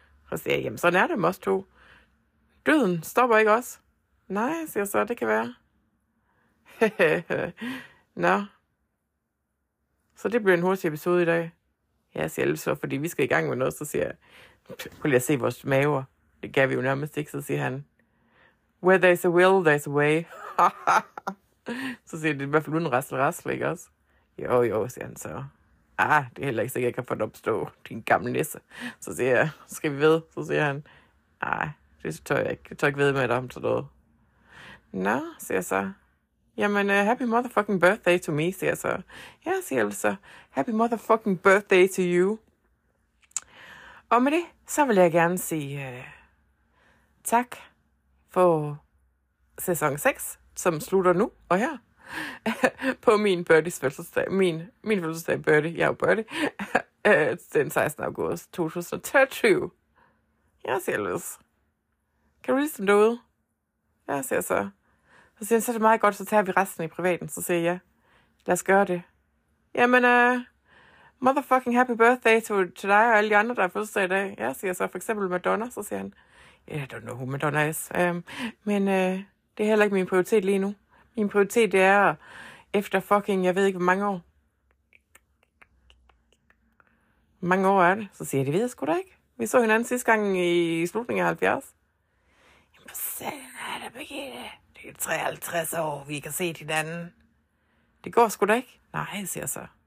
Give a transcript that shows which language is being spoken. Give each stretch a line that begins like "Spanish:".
Danish: Så siger jeg, jamen sådan er det med os to. Døden stopper ikke os. Nej, siger jeg så, det kan være. Nå. Så det bliver en hurtig episode i dag. Ja, siger jeg så, fordi vi skal i gang med noget, så siger jeg, prøv lige at se vores maver. Det gav vi jo nærmest ikke, så siger han.
English: Where there's a will, there's a way.
Danish: Så siger jeg, det er i hvert fald uden rassel, ikke også? Jo, siger han så. Ah, det er heller ikke sikkert, jeg kan få det opstå, din gamle nisse. Så siger jeg, skal vi ved? Så siger han, nej, det tør jeg ikke. Jeg tør ikke ved med dig om sådan noget. Nå, siger jeg så. Jamen,
English: happy motherfucking birthday to me,
Danish: siger jeg så. Ja, siger jeg så.
English: Happy motherfucking birthday to you.
Danish: Og med det, så vil jeg gerne sige tak for sæson 6, som slutter nu og her. På min Birdies fødselsdag. Min fødselsdag er Birdie. Jeg er jo Birdie. Den 16. august 2023. Jeg siger ellers. Kan du lige stemme derude? Jeg siger så. Så siger han, så er det meget godt, så tager vi resten i privaten. Så siger jeg, ja. Lad os gøre det. Jamen,
English: motherfucking happy birthday
Danish: til dig og alle de andre, der er fødselsdag i dag. Jeg siger så, for eksempel Madonna. Så siger han,
English: yeah, I don't know who Madonna is.
Danish: Men det er heller ikke min prioritet lige nu. Min prioritet, det er efter fucking, jeg ved ikke, hvor mange år. Hvor mange år er det? Så siger jeg, det ved jeg sgu da ikke. Vi så hinanden sidste gang i slutningen af 70. Jamen, hvor sanden er det, Birgitte? Det er 53 år, vi kan se hinanden. Det går sgu da ikke. Nej, siger jeg så.